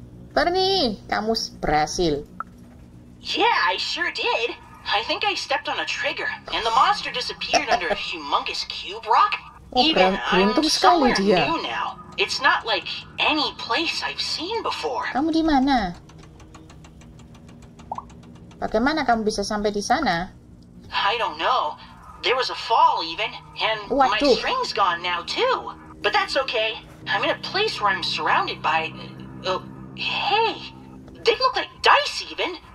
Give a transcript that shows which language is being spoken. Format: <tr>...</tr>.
<id>Bernie, kamu berhasil.</id> <en>Yeah, I sure did. I think I stepped on a trigger and the monster disappeared under a humongous cube rock. Even, I'm somewhere new now. It's not like any place I've seen before.</en> <id>Kamu di mana? Bagaimana kamu bisa sampai di sana?</id> <en>I don't know. There was a fall, Even, and my string's gone now too. But that's okay. I'm in a place where I'm surrounded by. Hey, they look like dice, Even.</en>